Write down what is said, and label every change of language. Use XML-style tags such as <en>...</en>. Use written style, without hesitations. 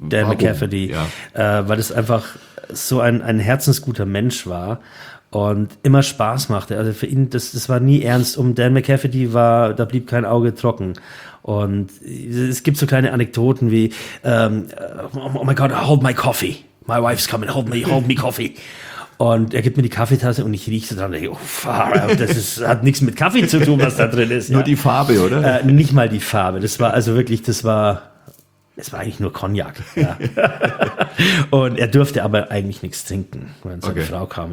<de>Dan McCafferty, weil das einfach so ein herzensguter Mensch war. Und immer Spaß machte. Also für ihn, das war nie ernst. Um Dan McCafferty war, da blieb kein Auge trocken. Und es gibt so kleine Anekdoten wie,</de> <en>oh my God, hold my coffee. My wife's coming, hold me coffee.</en> <de>Und er gibt mir die Kaffeetasse und ich rieche so dran. Und denke, hat nichts mit Kaffee zu tun, was da drin ist. Nur die Farbe, oder? Nicht mal die Farbe. Das war also wirklich, es war eigentlich nur Cognac. Ja. Und er durfte aber eigentlich nichts trinken, wenn seine Frau kam.</de>